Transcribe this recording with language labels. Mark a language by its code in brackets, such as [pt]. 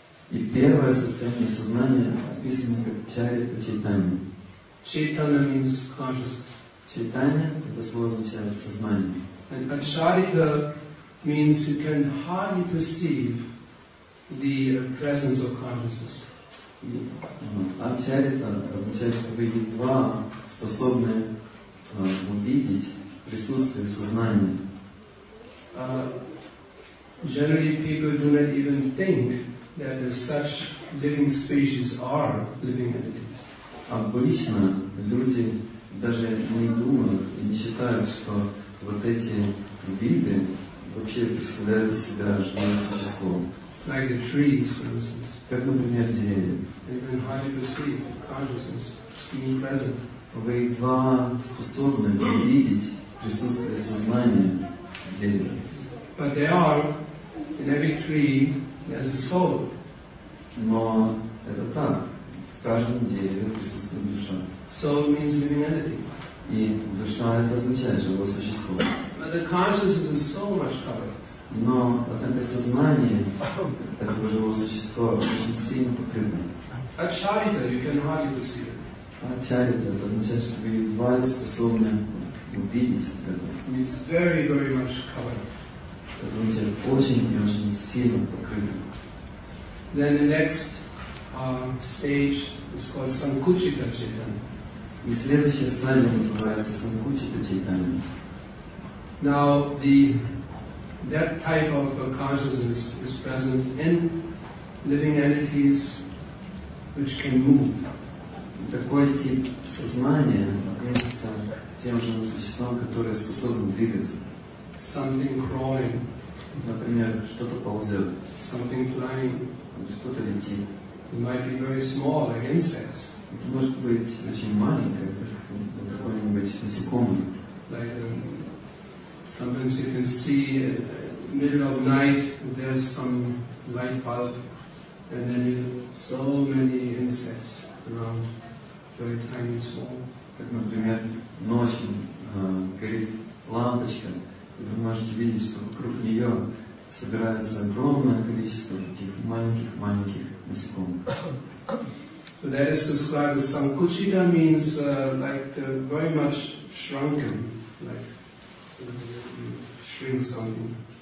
[ru] И первое состояние сознания описано как чарита чайтанья. [en] Чайтанья means consciousness. [ru] Чайтанья — это слово означает сознание. [en] And чарита means you can hardly perceive the presence of consciousness. [ru] А чарита означает, что вы едва способны увидеть присутствие сознания. [en] Generally, people do not even think that such living species are living entities. [ru] Обычно люди даже не думают и не считают, что вот эти виды вообще представляют из себя живое существо. [en] like the trees, for instance. [ru] Как, например, деревья. [en] You can highly perceive consciousness being present. [ru] Вы едва способны видеть присутствие сознания в дереве. [en] But there are, in every tree, there's a soul. [ru] Но это так. В каждом дереве присутствует душа. [en] Soul means living entity. [ru] И душа — это означает живое существо. [en] But the consciousness is so much covered. [ru] Но, однако, сознание такого живого существа очень сильно покрыто. [en] Ачарита, you can hardly perceive it. [ru] Ачарита — это означает, что вы едва ли способны увидеть это. [en] It's very, very much covered. [ru] Это значит, очень и очень сильно покрыто. [en] Then the next stage is called Sankuchita Chaitanya. [ru] И следующая стадия называется Санкучита Чайтанья. [en] Now the that type of consciousness is present in living entities which can move. [ru] Такой тип сознания относится к тем же существам, которые способны двигаться. [en] Something crawling. [ru] Например, что-то ползет. [en] Something flying. [ru] Что-то летит. [en] It might be very small, like insects. [ru] Это может быть очень маленькое, какое-нибудь насекомое. [en] Like, sometimes you can see in the middle of night there's some light bulb, and then so many insects around, very tiny, small. [ru] Как, например, ночью горит лампочка, и вы можете видеть, что вокруг нее собирается огромное количество таких маленьких-маленьких насекомых. [en] So that is described as Sankuchita means very much shrunken, like shrink something.